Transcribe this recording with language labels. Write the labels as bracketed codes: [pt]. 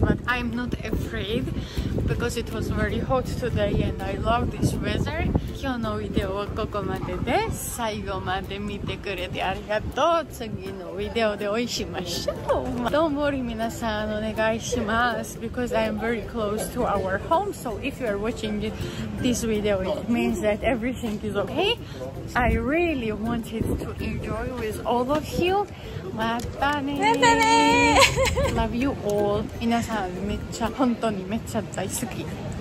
[en] But I'm not afraid because it was very hot today and I love this weather. [ja] 今日のビデオはここまでです。最後まで見てくれてありがとう。次のビデオでお会いしましょう。どうもり皆さんお願いします。 [en] Because I am very close to our home, so if you are watching this video, it means that everything is okay. I really wanted to enjoy with all of you. [ja] またね。またね。 [en] Love you all. [ja] 皆さんめっちゃ本当にめっちゃ大好き。